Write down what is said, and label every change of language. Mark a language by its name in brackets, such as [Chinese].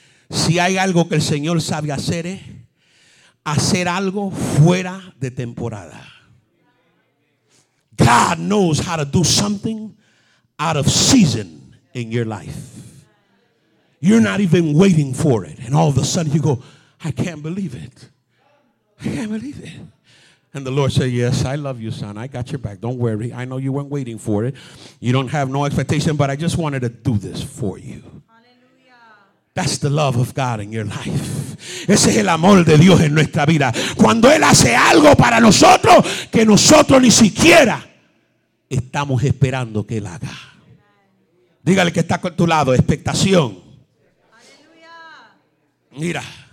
[Spanish] Si hay algo que el Señor sabe hacer es hacer algo fuera de temporada. [English] God knows how to do something out of season in your life. You're not even waiting for it. And all of a sudden you go, I can't believe it. I can't believe it. And the Lord said, yes, I love you, son. I got your back. Don't worry. I know you weren't waiting for it. You don't have no expectation, but I just wanted to do this for you. That's the love of God in your life. [Spanish] Ese es el amor de Dios en nuestra vida. Cuando Él hace algo para nosotros que nosotros ni siquiera estamos esperando que Él haga. Dígale que está con tu lado, expectación. Mira.